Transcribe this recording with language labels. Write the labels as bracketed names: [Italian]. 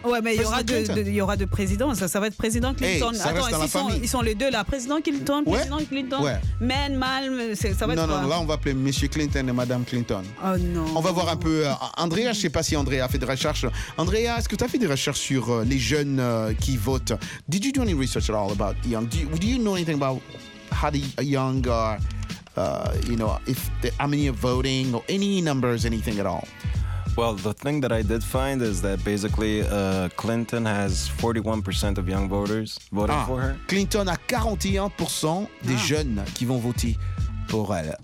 [French] Ouais, mais il y aura deux présidents. Ça va être président Clinton. Hey, attends, ils sont les deux là. Président Clinton, ouais. Président Clinton. Ouais. Man, mal, ça va non, être. Non, non, là, on va appeler Monsieur Clinton et Madame Clinton. Oh non. On va voir un peu. Andrea, je ne sais pas si Andrea a fait des recherches. Andrea, est-ce que tu as fait des recherches sur les jeunes qui votent? [English] Did you do any research at all about young? Do you know anything about how the young are, you know, if they, how many are voting or any numbers, anything at all? Well, the thing that I did find is that basically Clinton has 41% of young voters voting for her. [French] Clinton a 41% des jeunes qui vont voter pour elle.